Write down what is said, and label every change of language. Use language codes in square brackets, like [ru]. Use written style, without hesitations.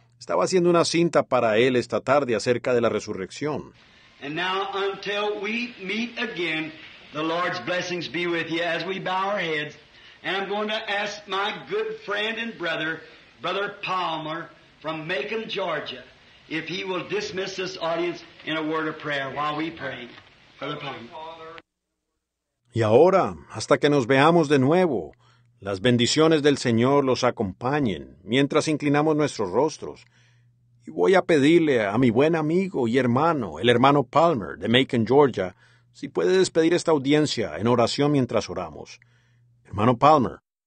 [es] Estaba haciendo una cinta para él esta tarde acerca de la resurrección. [en] And now, until we meet again, the Lord's blessings be with you as we bow our heads. And I'm going to ask my good friend and brother, Brother Palmer, from Macon, Georgia, if he will dismiss this audience in a word of prayer while we pray. Brother Palmer. [es] Y ahora, hasta que nos veamos de nuevo, las bendiciones del Señor los acompañen mientras inclinamos nuestros rostros. Y voy a pedirle a mi buen amigo y hermano, el hermano Palmer de Macon, Georgia, si puede despedir esta audiencia en oración mientras oramos. Hermano Palmer.